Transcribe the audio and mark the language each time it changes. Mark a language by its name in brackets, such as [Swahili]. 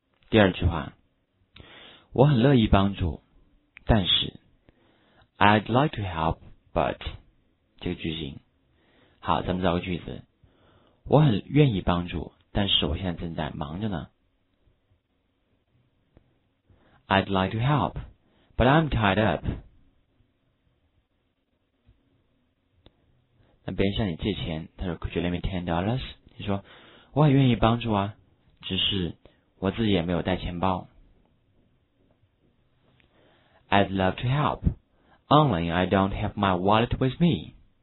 [Chinese] 第二句话，我很乐意帮助，但是 [English] I'd like to help, but [Chinese] 这个句型。好，咱们找个句子，我很愿意帮助，但是我现在正在忙着呢。 [English] I'd like to help, but I'm tied up. [Chinese] 那别人向你借钱，他说 [English] Could you lend me $10? [Chinese] 你说我很愿意帮助啊，只是我自己也没有带钱包。 [English] I'd love to help, only I don't have my wallet with me.